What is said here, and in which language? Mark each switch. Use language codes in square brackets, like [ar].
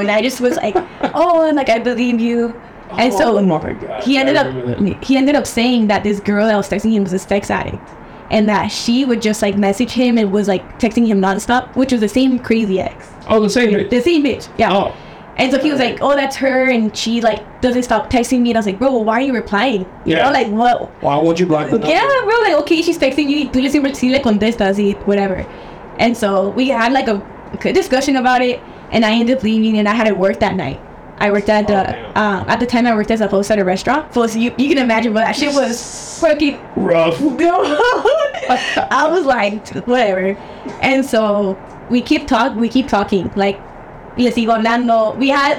[en] And I just was like, oh, and like, I believe you. And so he ended up saying that this girl that was texting him was a sex addict. And that she would just, like, message him and was, like, texting him nonstop, which was the same crazy ex. Oh, the same bitch. The same bitch, yeah. Oh. And so he was like, oh, that's her, and she, like, doesn't stop texting me. And I was like, bro, well, why are you replying? You know, like, whoa. Why won't you block the number? Yeah, bro, like, okay, she's texting you. [es] Tú le siempre sí le contestas y whatever. [en] And so we had, like, a good discussion about it, and I ended up leaving, and I had to work that night. I worked at the time I worked as a host at a restaurant. So you can imagine, but that shit was fucking rough. I was like, whatever. And so we keep talking. Like, [es] le sigo hablando.